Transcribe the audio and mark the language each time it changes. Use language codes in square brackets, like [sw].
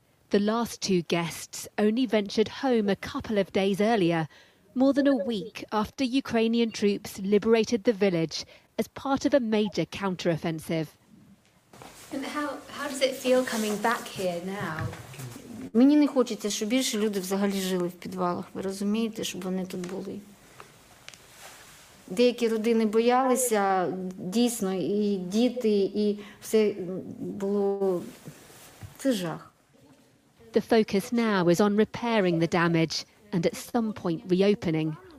[en] The last two guests only ventured home a couple of days earlier, more than a week after Ukrainian troops liberated the village as part of a major counteroffensive. And how does it feel coming back here now? [uk] Мені не хочеться, щоб більше люди взагалі жили в підвалах. Ви розумієте, щоб вони тут були. Деякі родини боялися, дійсно, і діти, і все було... Це жах. [en] The focus now is on repairing the damage and at some point reopening.